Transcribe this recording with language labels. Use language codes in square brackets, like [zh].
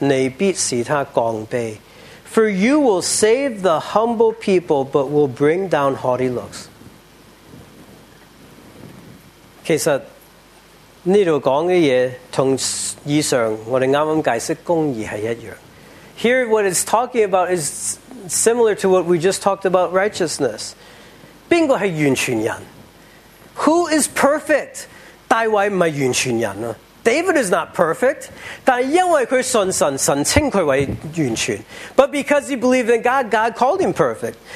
[zh] 困苦的百姓，你必拯救；高傲的眼目，你必使他降卑。 [en] For you will save the humble people, but will bring down haughty looks. [zh] 其实这里讲的东西，和以上我们刚刚解释公义是一样。 [en] Here, what it's talking about is similar to what we just talked about, righteousness. [zh] 誰是完全人? [en] Who is perfect? [zh] 大衛不是完全人啊。 [en] David is not perfect, [zh] 但因为他信神, 神称他为完全。 [en] But because he believed in God, God called him perfect.